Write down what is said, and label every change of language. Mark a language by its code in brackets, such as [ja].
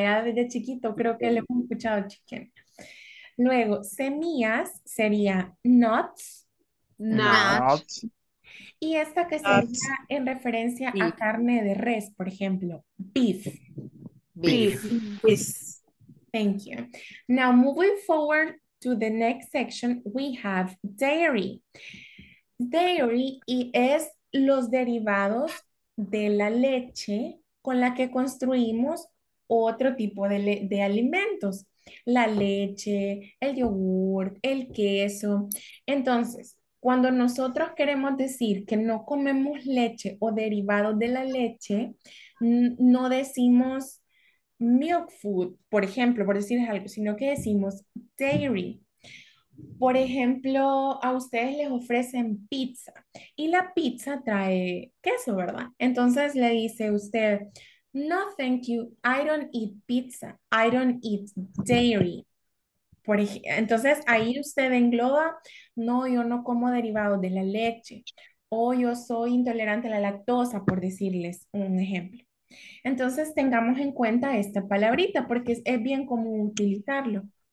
[es] Ya desde chiquito creo que le hemos escuchado chicken. Luego, semillas sería nuts. [en] Nuts. [es] Y esta que sería en referencia a carne de res, por ejemplo, beef. [en] Beef. Thank you. Now, moving forward to the next section, we have dairy. [es] Dairy y es los derivados de la leche con la que construimos otro tipo de alimentos. La leche, el yogur, el queso. Entonces, cuando nosotros queremos decir que no comemos leche o derivados de la leche, no decimos [en] milk food, [es] por ejemplo, por decirles algo, sino que decimos dairy. Por ejemplo, a ustedes les ofrecen pizza y la pizza trae queso, ¿verdad? Entonces le dice usted, no, [en] thank you, I don't eat pizza, I don't eat dairy. [es] Entonces ahí usted engloba, no, yo no como derivados de la leche o yo soy intolerante a la lactosa, por decirles un ejemplo. Entonces tengamos en cuenta esta palabrita porque es bien común utilizarlo.